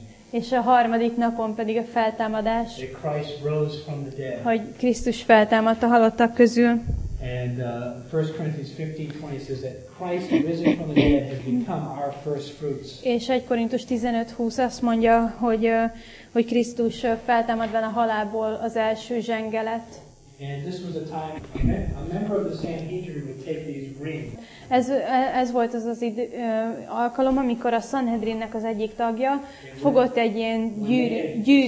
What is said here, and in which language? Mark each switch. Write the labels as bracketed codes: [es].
[hu] És a harmadik napon pedig a feltámadás. [en] That Christ rose from the dead. [hu] Hogy Krisztus feltámadt a halottak közül. [en] And 1 Corinthians 15:20 says that Christ risen from the dead has become our first fruits. [hu] És 1 Korintus 15:20 azt mondja, hogy Krisztus feltámadva a halálból az első zsenge lett. [en] And this was a time a member of the Sanhedrin would take these rings. [hu] Ez volt alkalom, amikor a Sanhedrinnek az egyik tagja fogott egy ilyen gyűrűt.